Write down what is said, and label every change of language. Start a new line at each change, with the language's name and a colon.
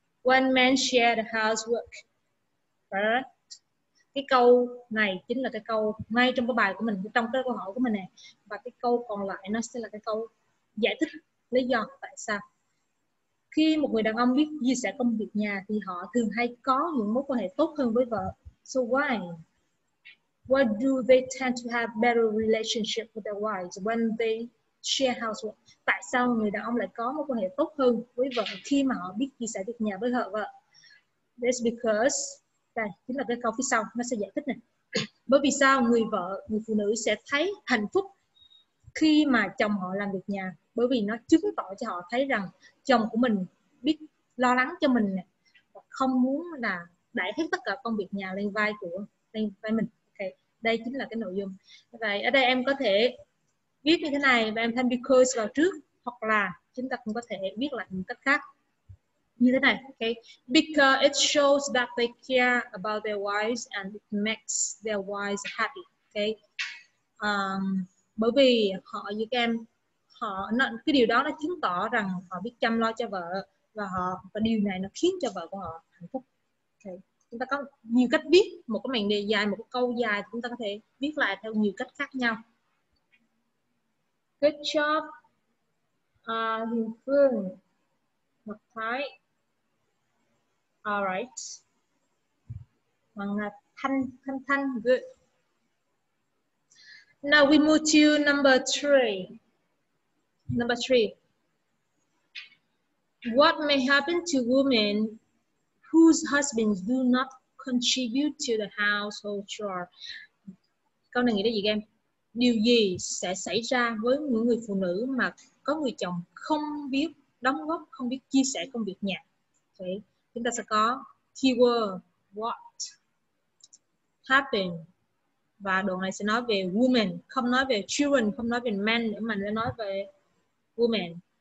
English: When men share the housework. Right.
Vietnamese: Cái câu này chính là cái câu ngay trong cái bài của mình, trong cái câu hỏi của mình này. Và cái câu còn lại nó sẽ là cái câu giải thích lý do tại sao. Khi một người đàn ông biết chia sẻ công việc nhà thì họ thường hay có những mối quan hệ tốt hơn với vợ.
English: So why? Why do they tend to have better relationship with their wives when they share housework?
Vietnamese: Tại sao người đàn ông lại có mối quan hệ tốt hơn với vợ khi mà họ biết chia sẻ việc nhà với họ vợ?
English: That's because...
Vietnamese: Đây, chính là cái câu phía sau, nó sẽ giải thích này. Bởi vì sao người vợ, người phụ nữ sẽ thấy hạnh phúc khi mà chồng họ làm việc nhà? Bởi vì nó chứng tỏ cho họ thấy rằng chồng của mình biết lo lắng cho mình này, và không muốn là đẩy hết tất cả công việc nhà lên vai của mình. Okay. Đây chính là cái nội dung. Vậy ở đây em có thể viết như thế này và em thêm because vào trước, hoặc là chúng ta cũng có thể viết lại một cách khác như thế này. Okay.
English: Because it shows that they care about their wives and it makes their wives happy. Okay.
Vietnamese: Bởi vì họ như các em, họ cái điều đó nó chứng tỏ rằng họ biết chăm lo cho vợ, và họ và điều này nó khiến cho vợ của họ hạnh phúc. Okay. Chúng ta có nhiều cách viết một cái mảnh đề dài, một cái câu dài, chúng ta có thể viết lại theo nhiều cách khác nhau.
English: Good job, Huyền Phương, Ngọc Thái. Alright. Bằng Thanh, good. Now we move to number three. What may happen to women whose husbands do not contribute to the household chore?
Vietnamese: Câu này nghĩa là gì em? Điều gì sẽ xảy ra với những người phụ nữ mà có người chồng không biết đóng góp, không biết chia sẻ công việc nhà? Okay. Chúng ta sẽ có keyword what, happen, và đoạn này sẽ nói về women, không nói về children, không nói về men, nữa mà nó nói về women.